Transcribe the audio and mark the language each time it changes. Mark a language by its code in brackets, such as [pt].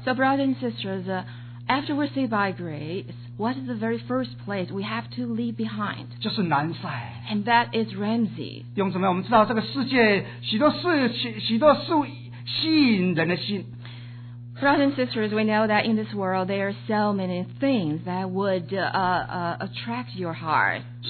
[en] So brothers and sisters, after we're saved by grace, what is the very first place we have to leave behind? [zh] 就是南塞。 [en] And that is Ramses. [zh] 弟兄姊妹，我们知道这个世界许多事吸引人的心。 [en] Brothers and sisters, we know that in this world there are so many things that would attract your heart.